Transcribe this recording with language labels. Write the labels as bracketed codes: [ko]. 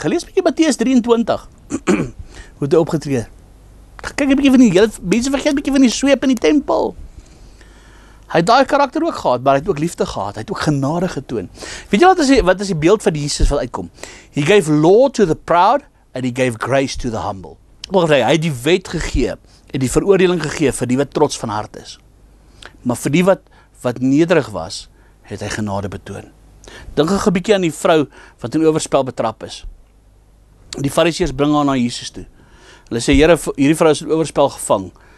[af] Gelees 'n bietjie Matteus 23. Hoe het hy opgetree? Kyk 'n bietjie van die hele mense vergeet 'n bietjie van die sweep in die tempel. Hy het daai karakter ook gehad, maar hy het ook liefde gehad, hy het ook genade getoon. Weet jy wat is die beeld van Jesus wat uitkom? [en] He gave law to the proud and he gave grace to the humble. [af] Wat hy die wet gegee en die veroordeling gegee vir die wat trots van hart is. Maar vir die wat nederig was, het hy genade betoon. Dink gou 'n bietjie aan die vrou wat in oorspel betrap is. Die fariseërs bring haar na Jesus toe. Hulle sê, Here, hierdie vrou is in oorspel gevang.